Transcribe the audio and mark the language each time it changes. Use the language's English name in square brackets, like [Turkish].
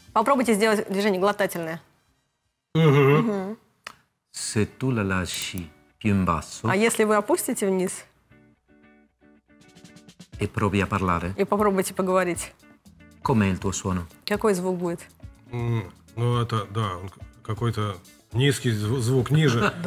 [Russian] Попробуйте сделать движение глотательное. [Italian] Se tu la lasci più in basso. [Russian] А если вы опустите вниз? [Italian] E provi a parlare. [Russian] И попробуйте поговорить. [Italian] Com'è il tuo suono? [Russian] Какой звук будет? Ну это да, он какой-то низкий звук ниже.